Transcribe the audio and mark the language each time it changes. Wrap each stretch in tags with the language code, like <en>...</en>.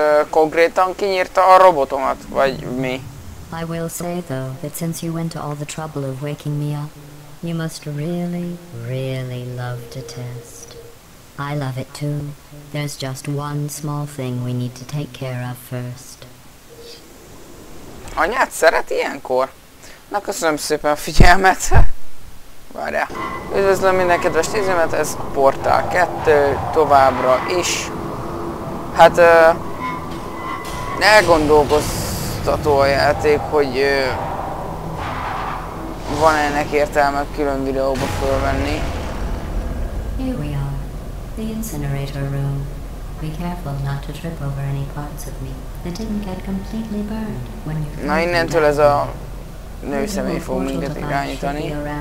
<hu>Konkrétan kinyírta a robotomat, vagy mi?</hu> <en>I will say though, that since you went to all the trouble of waking me up, you must really, really love to test. I love it too. There's just one small thing we need to take care of first.</en> <hu>Anyát szeret ilyenkor? Na, köszönöm szépen a figyelmet! Várjál! Üdvözlöm minden kedves nézőmet, ez a Portál 2, továbbra is. Hát, elgondolkoztató a játék, hogy van ennek értelme külön videóba fölvenni.</hu> <en>Here we are, the incinerator room. Be careful not to trip over any parts of me that didn't get completely burned when you...</en> <hu>Na, innentől ez a... Nőszemély fog minket irányítani.</hu>